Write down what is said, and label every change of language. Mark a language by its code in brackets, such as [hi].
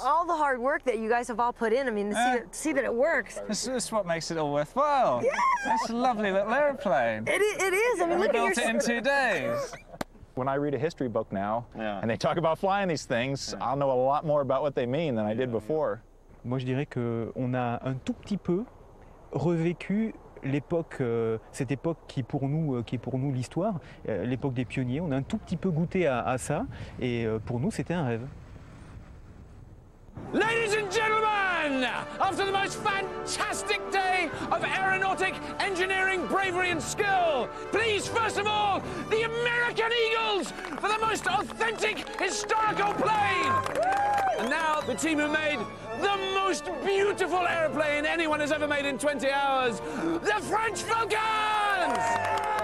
[en] All the hard work that you guys have all put in, I mean, see that it works. This is what makes it all worthwhile. Yeah! That's a lovely little airplane. It is, I mean, look at built it in 2 days. When I read a history book now, and they talk about flying these things, I'll know a lot more about what they mean than I did before. [fr] Moi, je dirais que on a un tout petit peu revécu l'époque, cette époque qui est pour nous l'histoire, l'époque des pionniers. On a un tout petit peu goûté à ça, et pour nous, c'était un rêve. [en] Ladies and gentlemen, after the most fantastic day of aeronautic engineering bravery and skill, please, first of all, the American Eagles for the most authentic historical plane! And now the team who made the most beautiful airplane anyone has ever made in 20 hours, the French Falcons!